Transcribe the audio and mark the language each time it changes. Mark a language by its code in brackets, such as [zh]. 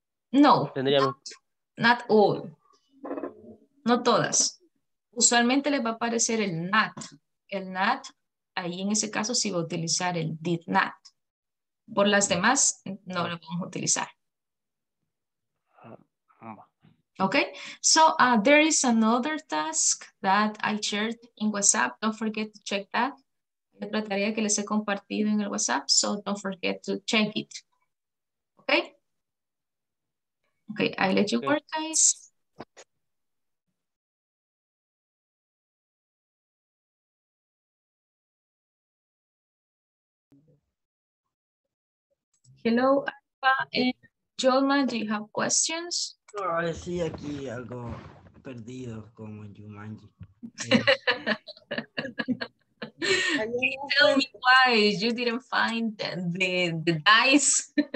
[en] No, not all. [es] No todas. Usualmente les va a aparecer el not. El not, ahí en ese caso sí va a utilizar el did not. Por las demás, no lo vamos a utilizar. [en] Okay, so there is another task that I shared in WhatsApp. Don't forget to check that. [es] Otra tarea que les he compartido en el WhatsApp, [en] so don't forget to check it. Okay? Okay, I let you work, guys. Hello, Alpha and Jolma, do you have questions? [es] No, sí, aquí algo perdido como en Jumanji. [en] Tell me why you didn't find the dice.